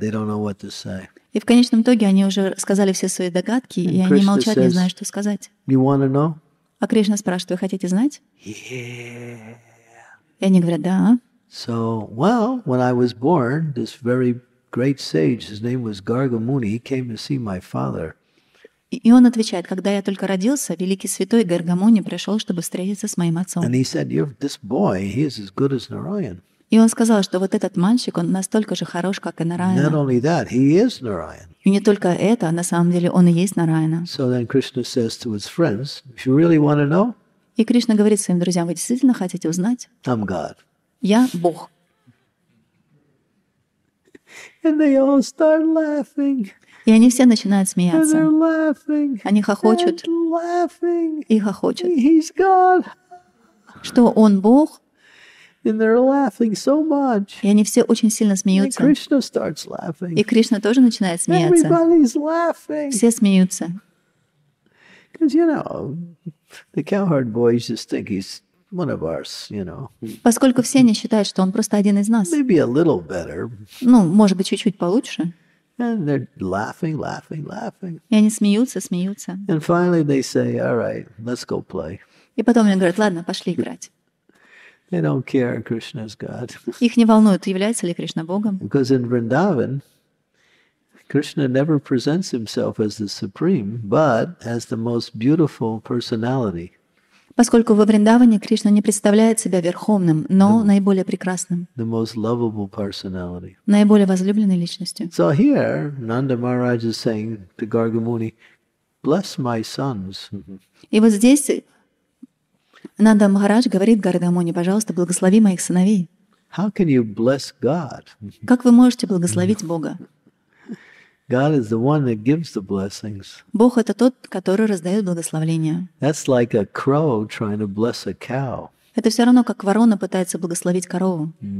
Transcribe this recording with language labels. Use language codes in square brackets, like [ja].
[en] They don't know what to say. [ru] И в конечном итоге они уже сказали все свои догадки, и они молчат, не зная, что сказать. [en] You wanna know? [ru] А Кришна спрашивает: вы хотите знать? [en] Yeah. [ru] И они говорят: да. [en] So, well, when I was born, this very great sage, his name was Gargamuni, he came to see my father. [ru] И он отвечает: когда я только родился, великий святой Гаргамуни пришел, чтобы встретиться с моим отцом. [en] And he said, you're this boy, he is as good as Narayan. [ru] И он сказал, что вот этот мальчик, он настолько же хорош, как и Нараяна. [en] Not only that, he is Narayan. [ru] И не только это, на самом деле он и есть Нараяна. [en] So then Krishna says to his friends, if you really want to know, [ru] и Кришна говорит своим друзьям: вы действительно хотите узнать? [en] I'm God. [ru] Я Бог. [en] And they all start laughing. [ru] И они все начинают смеяться. [en] And they're laughing. [ru] Они хохочут. [en] And laughing. [ru] И хохочут. [en] He's God. [ru] Что он Бог. [en] And they're laughing so much. [ru] И они все очень сильно смеются. [en] And Krishna starts laughing. [ru] И Кришна тоже начинает смеяться. [en] Everybody's laughing. [ru] Все смеются. [en] Because, you know, the cowherd boys just think he's one of ours, you know. [ru] Поскольку все они считают, что он просто один из нас. [en] Maybe a little better. [ru] Ну, может быть, чуть-чуть получше. [en] And they're laughing, laughing, laughing. [ru] И они смеются, смеются. [en] And finally they say, all right, let's go play. [ru] И потом они говорят: ладно, пошли играть. [en] They don't care, Krishna is God. [ru] Их не волнует, является ли Кришна Богом. [en] Because in Vrindavan, Krishna never presents himself as the supreme, but as the most beautiful personality. [ru] Поскольку во Вриндаване Кришна не представляет себя верховным, но наиболее прекрасным. [en] The most lovable personality. [ru] Наиболее возлюбленной личностью. [en] So here, Nanda Maharaj is saying to Gargamuni, bless my sons. [ru] И вот здесь Нанда Махарадж говорит Гаргамуни: пожалуйста, благослови моих сыновей. [en] How can you bless God? [ru] Как вы можете благословить Бога? [en] God is the one that gives the blessings. [ru] Бог — это тот, который раздает благословения. [en] That's like a crow trying to bless a cow. [ru] Это все равно, как ворона пытается благословить корову.